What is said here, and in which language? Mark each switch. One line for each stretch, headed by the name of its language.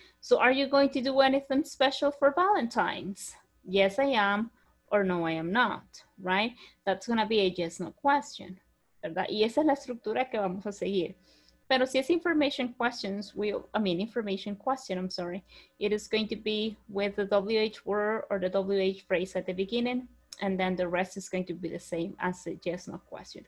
English: So are you going to do anything special for Valentine's? Yes, I am, or no, I am not, right? That's gonna be a yes, no question, ¿verdad?
Spanish: Y esa es la estructura que vamos a seguir. Pero si es
English: information questions, it is going to be with the WH word or the WH phrase at the beginning, and then the rest is going to be the same as the yes, no question.